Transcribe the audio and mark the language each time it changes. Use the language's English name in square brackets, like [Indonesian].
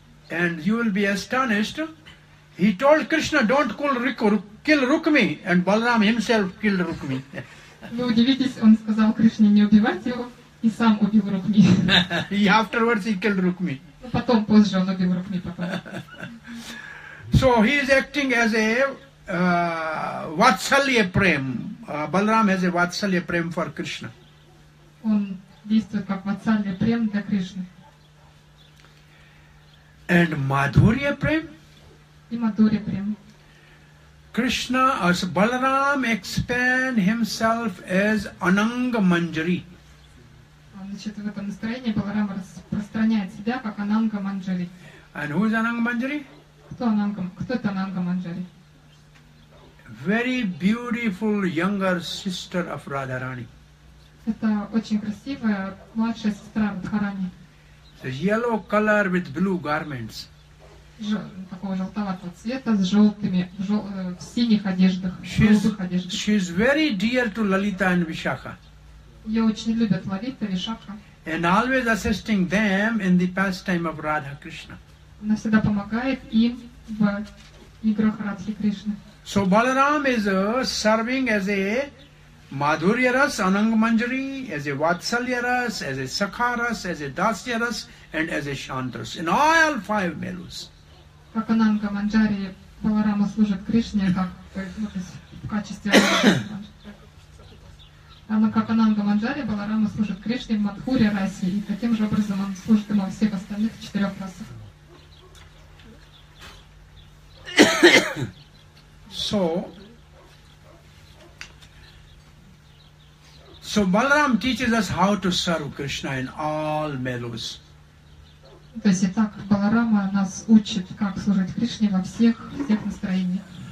[English] And you will be astonished. He told Krishna, "Don't kill Rukmi," and Balaram himself killed Rukmi. [Russian] Вы удивитесь, он сказал Кришне, не убивать его, и сам убил Рукми. [English] He afterwards he killed Rukmi. [Russian] Потом, позже, он убил Рукми потом. [English] So he is acting as a Vatsalya Prem. Balaram has a Vatsalya Prem for Krishna. [Russian] Он действует как Vatsalya Prem для Кришны. [English] And Madhurya Prem? [Russian] И Madhurya Prem. [English] Krishna, as Balaram expand himself as Ananga Manjari. [Russian] Значит, в этом настроении Баларама распространяет себя как Ананга Манджари. [English] And who is Ананга Манджари? [Russian] Кто это Ананга Манджари? [English] Very beautiful younger sister of Radharani. [Russian] Это очень красивая младшая сестра Радхарани. [English] The yellow color with blue garments. [Russian] Такого желтоватого цвета с желтыми, в синих одеждах, голубых одеждах. [English] She is very dear to Lalita and Vishakha. [Russian] Ее очень любят Лалита, Вишакха. [English] And always assisting them in the pastime of Radha Krishna. [Russian] Она всегда помогает им в играх Радхи Кришны. [English] So Balaram is serving as a Madhurya ras, Anang Manjari, as a Vatsalya ras, as a Sakha ras, as a Dasya ras, and as a Shanta ras. In all five melus. [Russian] Как Ананга Манджари Баларама служит Кришне, как в качестве Ананга. Как Ананга Манджари Баларама служит Кришне в Мадхуре расе, и таким же образом он служит ему во всех остальных четырех расах. [English] So Balaram teaches us how to serve Krishna in all melus. [Russian] То есть так Баларама нас учит, как служить Кришне во всех настроениях.